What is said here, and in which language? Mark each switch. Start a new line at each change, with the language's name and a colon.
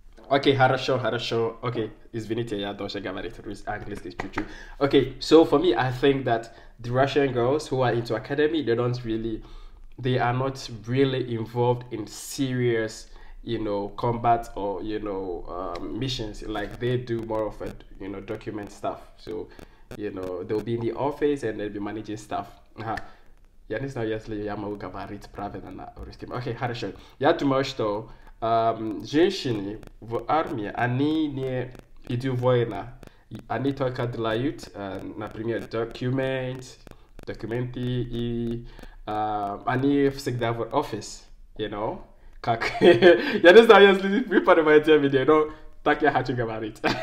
Russian: Окей, хорошо, хорошо. Окей, извините, я должен говорить английский чуть-чуть.
English: Окей, so for me, I think that the Russian girls who are into academy, they are not really involved in serious, you know, combat or, you know, missions. Like, they do more of a, you know, document stuff. So, you know, they'll be in the office and they'll be managing stuff.
Russian: Я не знаю, если я могу говорить правильно на русском. Окей, хорошо. Я думаю, что женщины в армии, они не идут война, они только делают, например, документы, и они всегда в офис,
English: you know,
Russian: как, я не знаю, если вы понимаете меня, но так я хочу говорить.